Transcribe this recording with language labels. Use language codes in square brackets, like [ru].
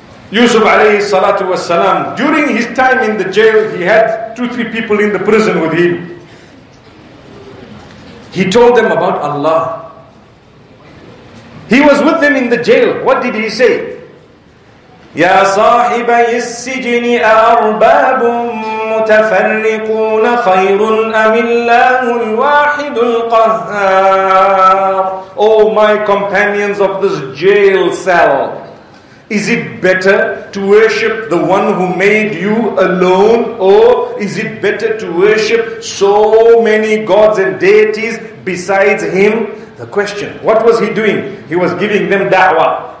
[en] Yusuf alayhi salatu wa salam, during his time in the jail, he had 2-3 people in the prison with him. He told them about Allah. He was with them in the jail. What did he say? [ar] Ya sahibi s-sijni arbabun متفرقون خير أم الله الواحد القهار. [en] Oh my companions of this jail cell, is it better to worship the one who made you alone, or is it better to worship so many gods and deities besides him? The question, what was he doing? He was giving them da'wah.